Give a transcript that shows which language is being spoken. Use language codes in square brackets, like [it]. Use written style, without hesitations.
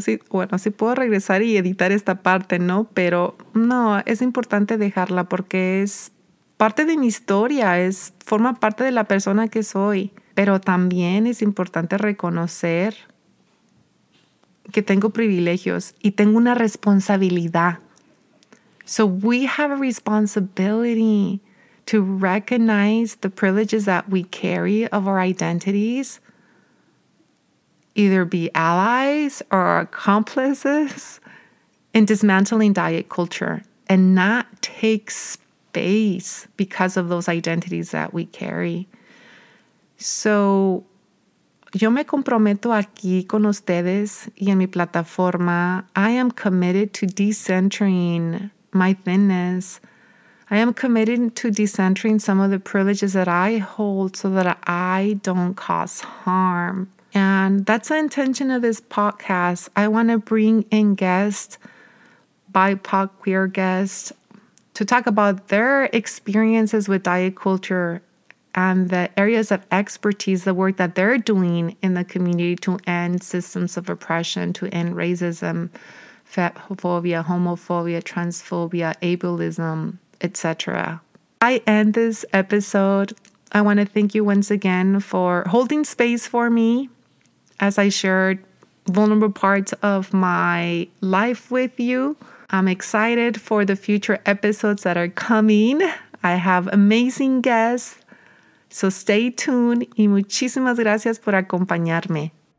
[es] Sí, bueno, sí puedo regresar y editar esta parte, ¿no? Pero no, es importante dejarla porque es parte de mi historia, forma parte de la persona que soy. Pero también es importante reconocer que tengo privilegios y tengo una responsabilidad. [en] So we have a responsibility to recognize the privileges that we carry of our identities, either be allies or accomplices in dismantling diet culture and not take space because of those identities that we carry. [es] So, yo me comprometo aquí con ustedes y en mi plataforma. [en] I am committed to decentering my thinness. I am committed to decentering some of the privileges that I hold so that I don't cause harm. And that's the intention of this podcast. I want to bring in guests, BIPOC queer guests, to talk about their experiences with diet culture and the areas of expertise, the work that they're doing in the community to end systems of oppression, to end racism, fatphobia, homophobia, transphobia, ableism, etc. I end this episode. I want to thank you once again for holding space for me as I shared vulnerable parts of my life with you. I'm excited for the future episodes that are coming. I have amazing guests. [es] So stay tuned y muchísimas gracias por acompañarme.